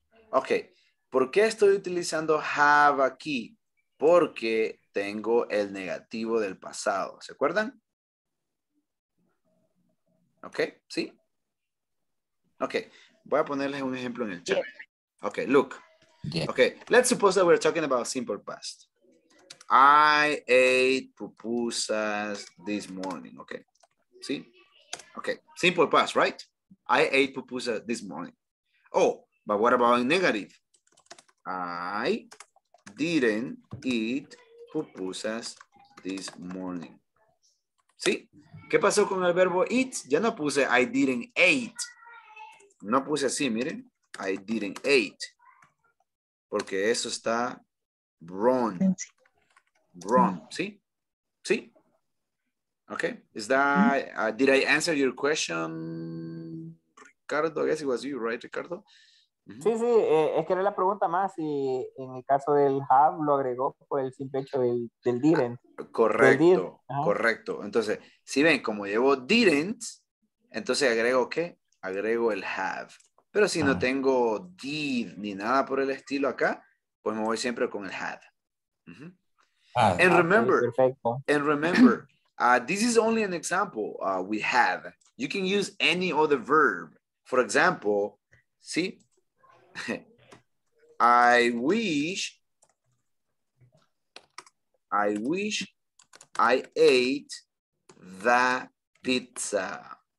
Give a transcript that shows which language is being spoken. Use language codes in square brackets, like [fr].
[es] Ok, ¿por qué estoy utilizando have aquí? Porque tengo el negativo del pasado, ¿se acuerdan? Ok, ¿sí? Ok. Voy a ponerles un ejemplo en el chat. [en] Okay, look. Okay, let's suppose that we're talking about simple past. I ate pupusas this morning. Okay, ¿sí? Okay, simple past, right? I ate pupusas this morning. Oh, but what about in negative? I didn't eat pupusas this morning. ¿Sí? [es] ¿Qué pasó con el verbo eat? Ya no puse I didn't eat. No puse así, miren. I didn't eat. Porque eso está wrong. Wrong, ¿sí? ¿Sí? [en] Okay, is that, did I answer your question, Ricardo? I guess it was you, right, Ricardo? Mm-hmm. [es] Sí, sí, es que era la pregunta más si en el caso del have lo agregó por el simple hecho del, del didn't. Correcto, del correcto. Entonces, si ven, como llevo didn't, entonces agrego ¿qué? Agrego el have. Pero si no tengo did ni nada por el estilo acá, pues me voy siempre con el had. Mm-hmm. [en] And remember, and remember, this is only an example we have. You can use any other verb. For example, see, I wish I ate the pizza.